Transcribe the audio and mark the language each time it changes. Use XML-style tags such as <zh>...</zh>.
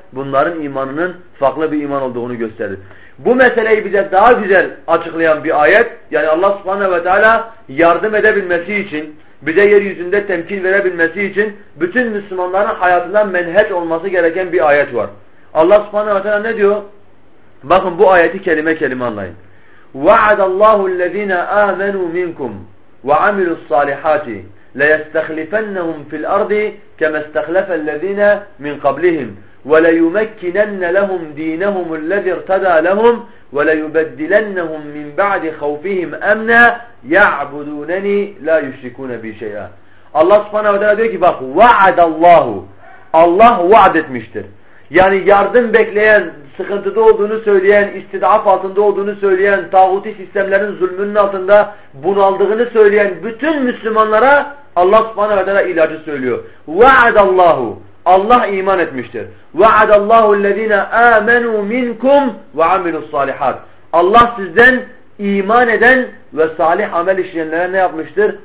<tr>Bunların imanının farklı bir iman olduğunu gösterir. Bu meseleyi bize daha güzel açıklayan bir ayet, yani Allah subhanehu ve teala yardım edebilmesi için, bize yeryüzünde temkin verebilmesi için bütün Müslümanların hayatından menheç olması gereken bir ayet var. Allah subhanehu ve teala ne diyor? Bakın bu ayeti kelime kelime anlayın.</tr> <ar>وَعَدَ اللّٰهُ الَّذ۪ينَ آمَنُوا مِنْكُمْ وَعَمِلُوا الصَّالِحَاتِ لَيَسْتَخْلِفَنَّهُمْ فِي الْأَرْضِ كَمَا اسْتَخْلَفَ الَّذ۪ينَ مِنْ قَبْلِهِمْ وَلَيُمَكِّنَنَّ لَهُمْ دِينَهُمُ الَّذِي ارْتَدَى لَهُمْ وَلَيُبَدِّلَنَّهُمْ مِنْ بَعْدِ خَوْفِهِمْ اَمْنًا يَعْبُدُونَنِي لَا يُشْرِكُونَ بِي شَيْئًا</ar> <tr>Allah subhanehu ve teala diyor ki bak</tr> <ar>وَعَدَ اللّٰهُ</ar> <tr>Allah vaat etmiştir. Yani yardım bekleyen, sıkıntıda olduğunu söyleyen, istidaf altında olduğunu söyleyen, tağuti sistemlerin zulmünün altında bunaldığını söyleyen bütün Müslümanlara Allah subhanehu ve teala ilacı söylüyor.</tr> <ar>وَعَدَ اللّٰهُ</ar> <tr>Allah iman etmiştir.</tr> <ar>وَعَدَ اللّٰهُ الَّذ۪ينَ آمَنُوا مِنْكُمْ وَعَمِلُوا الصَّالِحَاتِ</ar> <tr>Allah sizden iman eden ve salih amel işleyenlere ne yapmıştır?</tr>